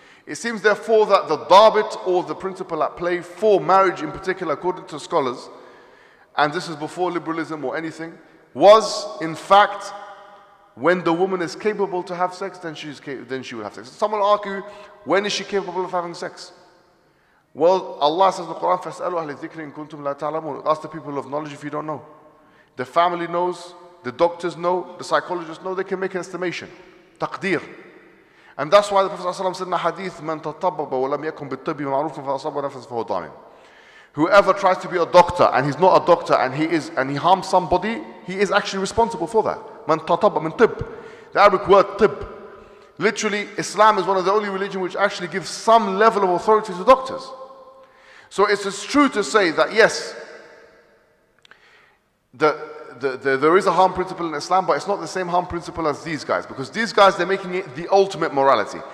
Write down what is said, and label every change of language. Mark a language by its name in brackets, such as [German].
[English] It seems, therefore, that the dhabit, or the principle at play for marriage in particular, according to scholars, and this is before liberalism or anything, was, in fact, when the woman is capable to have sex, then she will have sex. Some will argue, when is she capable of having sex? Well, Allah says in the Quran, [Arabic] فَاسْأَلُوا أَهْلِ الذِّكْرِ إِن كُنْتُمْ لَا تَعْلَمُونَ. [English] Ask the people of knowledge if you don't know. The family knows, the doctors know, the psychologists know, they can make an estimation. Taqdeer. And that's why the Prophet ﷺ said in the hadith, [Arabic] مَنْ تَطَبَّبَ وَلَمْ يَكُمْ بِالطَّبِّ مَعْرُوفٌ فَأَصَابَ نَفْسَهُ فَهُوَ ضَامِنٌ. [English] Whoever tries to be a doctor and he's not a doctor and he harms somebody, he is actually responsible for that. [Arabic] مَنْ تَطَبَّبَ مِنْ طِبْ. [English] The Arabic word طِبْ. Literally, Islam is one of the only religions which actually gives some level of authority to doctors. So it is true to say that yes, there is a harm principle in Islam, but it's not the same harm principle as these guys, because these guys, they're making it the ultimate morality.